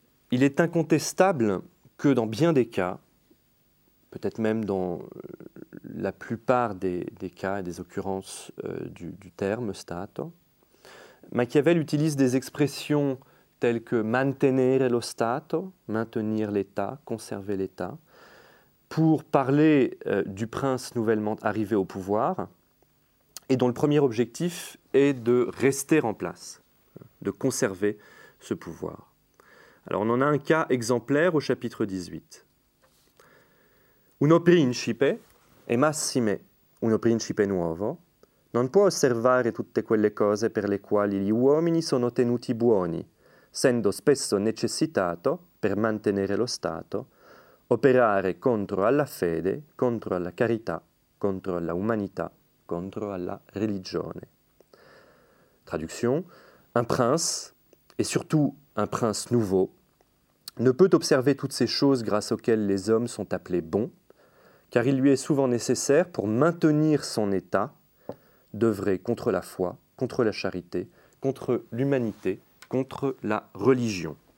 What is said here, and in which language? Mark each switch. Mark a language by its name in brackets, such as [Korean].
[French] Il est incontestable que dans bien des cas, peut-être même dans la plupart des cas et des occurrences du terme Stato, Machiavel utilise des expressions telles que [Italian] mantenere lo Stato, [French] maintenir l'État, conserver l'État, pour parler du prince nouvellement arrivé au pouvoir et dont le premier objectif est de rester en place, de conserver ce pouvoir. Alors on en a un cas exemplaire au chapitre 18. [Italian] Uno principe, e massime uno principe nuovo, non può osservare tutte quelle cose per le quali gli uomini sono tenuti buoni, essendo spesso necessitato, per mantenere lo Stato, operare contro alla fede, contro alla carità, contro alla umanità, contro alla religione. [French] Traduction, un prince, et surtout un prince nouveau, ne peut observer toutes ces choses grâce auxquelles les hommes sont appelés bons, car il lui est souvent nécessaire pour maintenir son état d'œuvrer contre la foi, contre la charité, contre l'humanité, contre la religion.